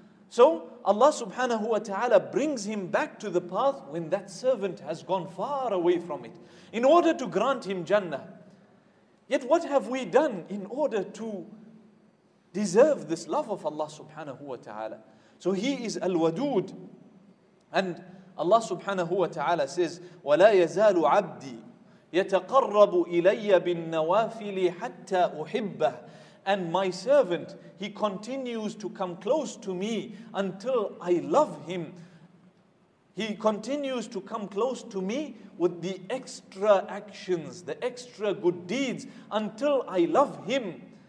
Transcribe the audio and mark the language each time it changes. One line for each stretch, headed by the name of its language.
English: So Allah subhanahu wa ta'ala brings him back to the path when that servant has gone far away from it, in order to grant him Jannah. Yet what have we done in order to deserve this love of Allah subhanahu wa ta'ala? So he is Al-Wadud. And Allah subhanahu wa ta'ala says,
Arabic: وَلَا يَزَالُ عَبْدِي يَتَقَرَّبُ إِلَيَّ بِالنَّوَافِلِ حَتَّى أُحِبَّهُ.
English: And my servant, he continues to come close to me until I love him. He continues to come close to me with the extra actions, the extra good deeds, until I love him.